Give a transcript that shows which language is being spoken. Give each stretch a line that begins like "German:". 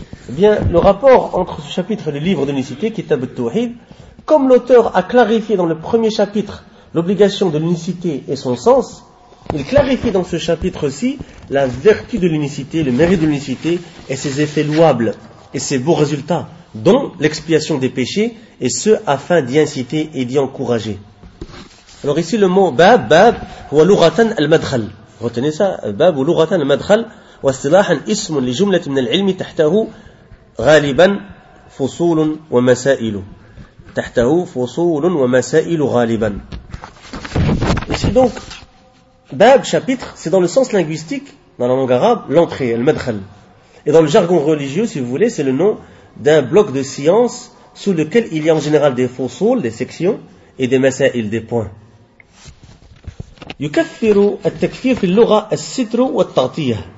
French: Eh bien, le rapport entre ce chapitre et le livre de l'unicité, Kitab al-Tawhid, comme l'auteur a clarifié dans le premier chapitre l'obligation de l'unicité et son sens, il clarifie dans ce chapitre-ci la vertu de l'unicité, le mérite de l'unicité et ses effets louables et ses beaux résultats, dont l'expiation des péchés, et ce, afin d'y inciter et d'y encourager. Alors ici, le mot « bab »« bab » ou «
Arabic: lughatan al-madkhal ».
French: Retenez ça,
Arabic: « bab » ou « lughatan al-madkhal » واصطلاحا اسم لجملة من العلم تحته غالبا فصول ومسائل تحته فصول ومسائل غالبا.
French: Ici donc bab chapitre c'est dans le sens linguistique dans la langue arabe l'entrée le madkhal et dans le jargon religieux si vous voulez c'est le nom d'un bloc de science sous lequel il y a en général des fusul des sections et des masail des points.
Arabic: يكفر التكفير في اللغة الستر والتغطية.